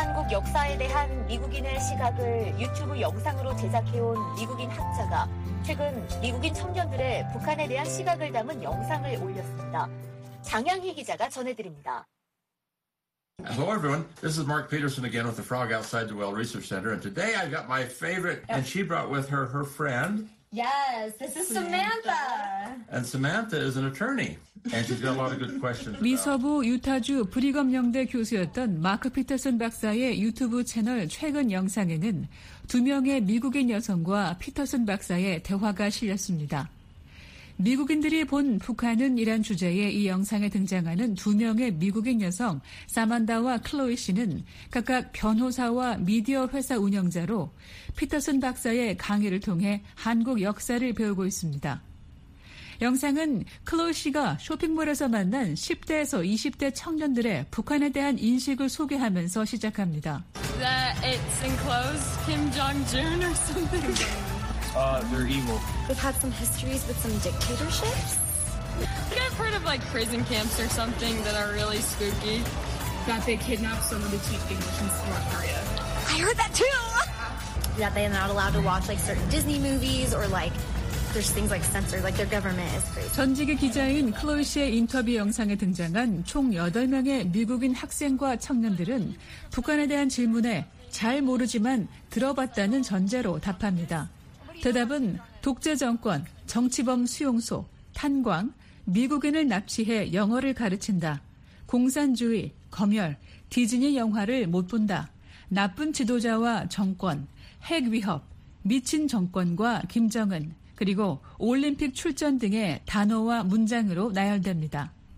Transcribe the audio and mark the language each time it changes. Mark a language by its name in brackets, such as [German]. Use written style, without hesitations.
[Korean] 역사에 대한 미국인의 시각을 유튜브 영상으로 제작해온 미국인 학자가 최근 미국인 청년들의 북한에 대한 시각을 담은 영상을 올렸습니다. 장양희 기자가 전해드립니다. [English] Hello everyone. This is Mark Peterson again with the Frog Outside the Well Research Center. And today I got my favorite, and she brought with her her friend. Yes, this is Samantha. And Samantha is an attorney. And she's got a lot of good questions. [Korean] 미서부 유타주 브리검 영대 교수였던 마크 피터슨 박사의 유튜브 채널 최근 영상에는 두 명의 미국인 여성과 피터슨 박사의 대화가 실렸습니다. 미국인들이 본 북한은 이란 주제의 이 영상에 등장하는 두 명의 미국인 여성 사만다와 클로이 씨는 각각 변호사와 미디어 회사 운영자로 피터슨 박사의 강의를 통해 한국 역사를 배우고 있습니다. 영상은 클로이 씨가 쇼핑몰에서 만난 10대에서 20대 청년들의 북한에 대한 인식을 소개하면서 시작합니다. [English] That it's enclosed Kim Jong-un or something. They're evil. We've had some histories with some dictatorships. I think I've heard of like prison camps or something that are really spooky. That they kidnapped someone to teach English in North Korea. I heard that too! That they're not allowed to watch like certain Disney movies or like there's things like censored, like their government is crazy. [Korean] 전직의 기자인 클로이 씨의 인터뷰 영상에 등장한 총 8명의 미국인 학생과 청년들은 북한에 대한 질문에 잘 모르지만 들어봤다는 전제로 답합니다. 대답은 독재정권, 정치범 수용소, 탄광, 미국인을 납치해 영어를 가르친다, 공산주의, 검열, 디즈니 영화를 못 본다, 나쁜 지도자와 정권, 핵 위협, 미친 정권과 김정은, 그리고 올림픽 출전 등의 단어와 문장으로 나열됩니다.